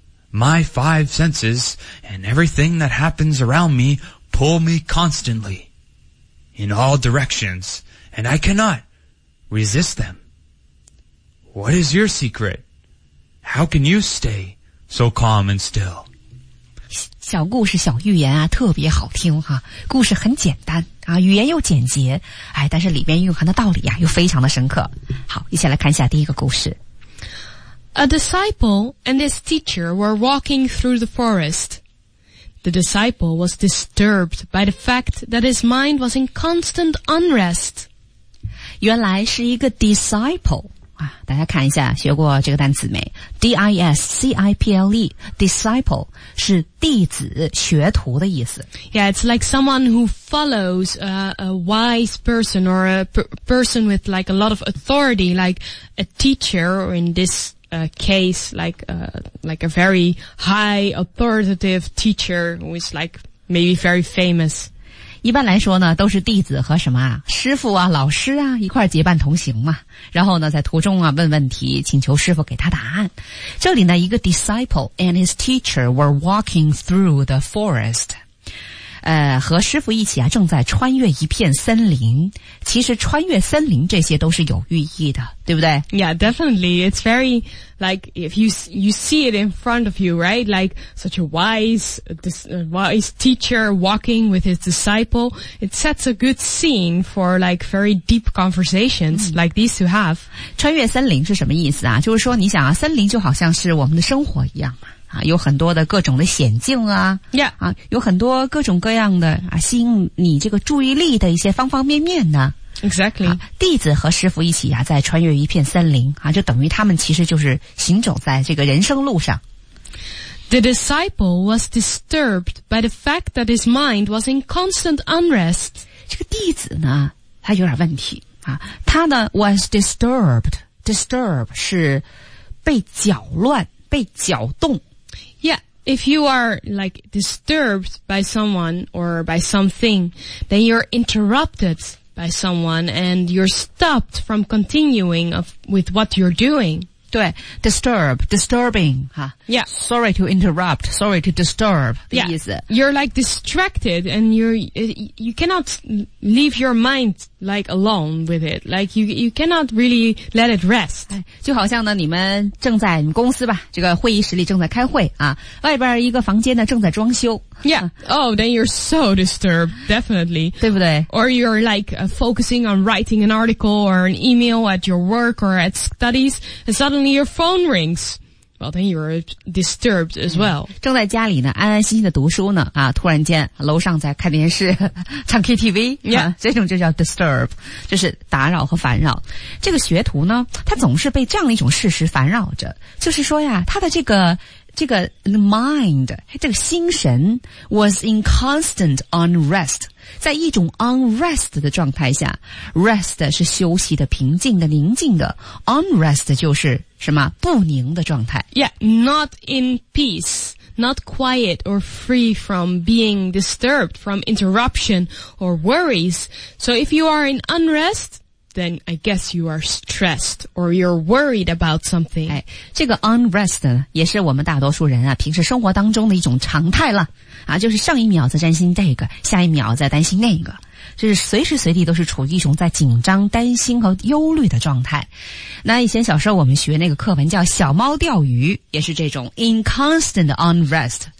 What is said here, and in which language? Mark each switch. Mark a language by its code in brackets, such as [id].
[en] My five senses and everything that happens around me pull me constantly in all directions, and I cannot resist them. What is your secret? How can you stay so calm and still? [zh] 小故事小寓言啊，特别好听哈、啊。故事很简单啊，语言又简洁，哎，但是里面蕴含的道理啊，又非常的深刻。好，一起来看一下第一个故事。 [en] A disciple and his teacher were walking through the forest. The disciple was disturbed by the fact that his mind was in constant unrest. [zh] 原来是一个 disciple 啊，大家看一下，学过这个单词没 ？D-I-S-C-I-P-L-E disciple 是弟子、学徒的意思。 [en] Yeah, it's like someone who follows a wise person or a person with like a lot of authority, like a teacher, or in this case, like a very high authoritative teacher who is like maybe very famous. [zh] 一般来说呢，都是弟子和什么啊，师父啊，老师啊，一块结伴同行嘛。然后呢，在途中啊，问问题，请求师父给他答案。这里呢，一个 [en] disciple and his teacher were walking through the forest。 [zh] 和师傅一起啊正在穿越一片森林。其实穿越森林这些都是有寓意的，对不对？ [en] Yeah, definitely. It's very, like, if you see it in front of you, right? Like, such a wise teacher walking with his disciple. It sets a good scene for, like, very deep conversations like these to have. [zh] 穿越森林是什么意思啊？就是说你想啊，森林就好像是我们的生活一样嘛。啊，有很多的各种的险境啊， [en] yeah. [zh] 啊，有很多各种各样的啊，吸引你这个注意力的一些方方面面呢。 [en] Exactly.、 [zh] 啊、弟子和师父一起啊，在穿越一片森林啊，就等于他们其实就是行走在这个人生路上。 [en] The disciple was disturbed by the fact that his mind was in constant unrest. [zh] 这个弟子呢，他有点问题啊，他呢 [en] was disturbed. [zh] Disturb 是被搅乱，被搅动。 [en] If you are, like, disturbed by someone or by something, then you're interrupted by someone and you're stopped from continuing with what you're doing. [zh] 对 ,disturb, disturbing, 哈、 [en] huh? Yeah. Sorry to interrupt, sorry to disturb, [zh] 的意思。 [en] Yeah. You're, like, distracted and you cannot leave your mind, like, alone with it. Like, you cannot really let it rest. [zh] 就好像呢你们正在公司吧这个会议室里正在开会啊外边一个房间呢正在装修。 [en] Yeah. Oh, then you're so disturbed, definitely. [zh] 对不对 [en] ?Or you're, like, focusing on writing an article or an email at your work or at studies, and suddenly your phone rings. Well, then you're disturbed as well. [zh] 正在家里呢安安心心的读书呢啊突然间楼上在看电视唱 KTV,、 [en] yeah. [zh] 啊、这种就叫 disturb, 就是打扰和烦扰。这个学徒呢他总是被这样的一种事实烦扰着。就是说呀他的这个 mind, 这个心神 [en] was in constant unrest, [zh] 在一种 unrest 的状态下 ,rest 是休息的平静的宁静的 ,unrest 就是什么不宁的状态。 [en] Yeah, not in peace, not quiet or free from being disturbed, from interruption or worries. So if you are in unrest,then I guess you are stressed or you're worried about something. [zh] 哎，这个 unrest 呢，也是我们大多数人啊，平时生活当中的一种常态了。啊，就是上一秒在担心这个，下一秒在担心那个。就是随时随地都是处于一种在紧张、担心和忧虑的状态。那以前小时候我们学那个课文叫小猫钓鱼，也是这种 [en] in constant unrest。